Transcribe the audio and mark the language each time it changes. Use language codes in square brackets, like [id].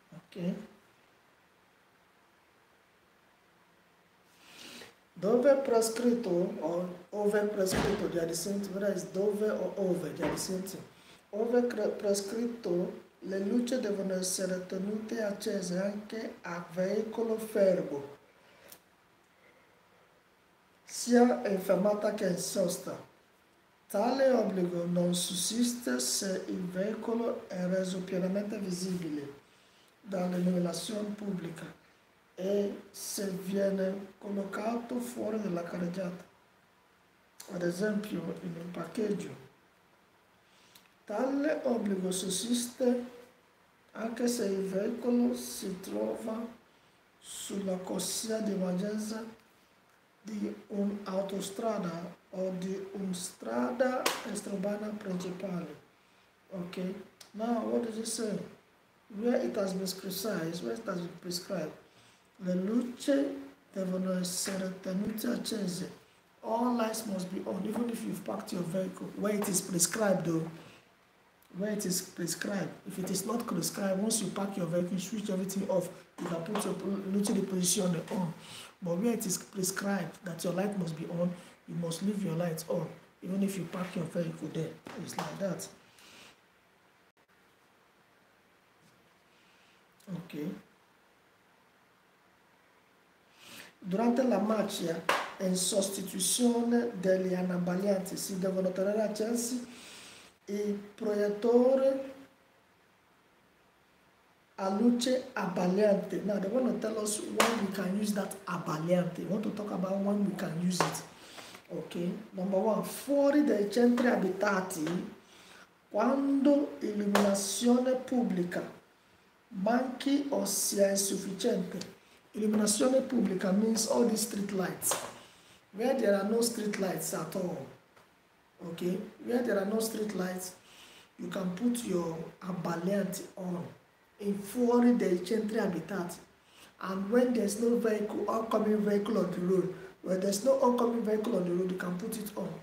[en] Okay. [it] Dove prescritto [en] or [it] ove prescritto, [en] they are the same thing. Whether it's dove or ove, they are the same thing. [it] Ove prescritto, le luci devono essere tenute accese anche a veicolo fermo, sia in fermata che in sosta. Tale obbligo non sussiste se il veicolo è reso pienamente visibile dalla illuminazione pubblica e se viene collocato fuori dalla carreggiata, ad esempio in un parcheggio. Tale obbligo sussiste anche se il veicolo si trova sulla corsia di emergenza di un'autostrada o di una strada extraurbana principale. [en] Ok, now what does it say? Where it has been prescribed, where it has been prescribed, [it] le luci devono essere tenute accese. [en] All lights must be on, even if you've parked your vehicle. Where it is prescribed, though, where it is prescribed. If it is not prescribed, once you park your vehicle, switch everything off. You can put your [it] luci di posizione [en] on. But where it is prescribed that your light must be on, you must leave your lights on, even if you park your vehicle there. It's like that. [it] Ok, durante la marcia e in sostituzione degli anabalianti si devono tenere accesi i proiettori a luce abbagliante. [en] Now they want to tell us when we can use that abbagliante. We want to talk about when we can use it. [it] Ok, number one, fuori dai centri abitati quando illuminazione pubblica manchi o sia insufficiente. Illuminazione pubblica [en] means all the street lights. Where there are no street lights at all, okay? Where there are no street lights, you can put your abbagliante on in [it] fuori dei centri abitati. [en] And when there's no vehicle, oncoming vehicle on the road, where there's no oncoming vehicle on the road, you can put it on.